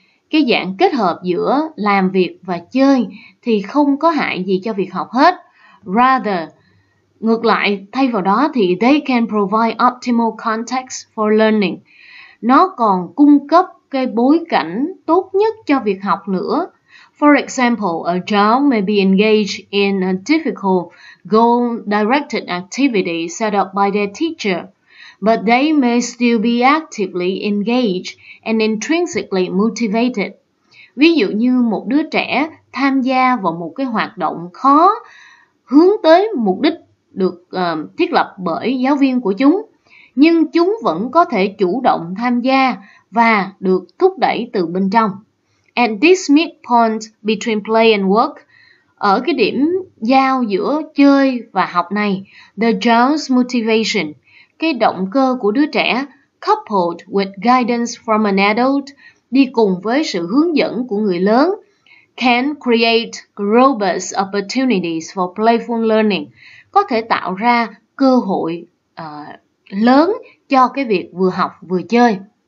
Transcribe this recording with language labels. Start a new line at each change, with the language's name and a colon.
Vietnamese: Cái dạng kết hợp giữa làm việc và chơi thì không có hại gì cho việc học hết.
English: Rather,
Vietnamese: ngược lại, thay vào đó thì
English: they can provide optimal context for learning.
Vietnamese: Nó còn cung cấp cái bối cảnh tốt nhất cho việc học nữa.
English: For example, a child may be engaged in a difficult goal-directed activity set up by their teacher, but they may still be actively engaged and intrinsically motivated.
Vietnamese: Ví dụ như một đứa trẻ tham gia vào một cái hoạt động khó hướng tới mục đích được thiết lập bởi giáo viên của chúng, nhưng chúng vẫn có thể chủ động tham gia và được thúc đẩy từ bên trong.
English: At this midpoint between play and work,
Vietnamese: ở cái điểm giao giữa chơi và học này,
English: the child's motivation,
Vietnamese: cái động cơ của đứa trẻ,
English: coupled with guidance from an adult,
Vietnamese: đi cùng với sự hướng dẫn của người lớn,
English: can create robust opportunities for playful learning,
Vietnamese: có thể tạo ra cơ hội lớn cho cái việc vừa học vừa chơi.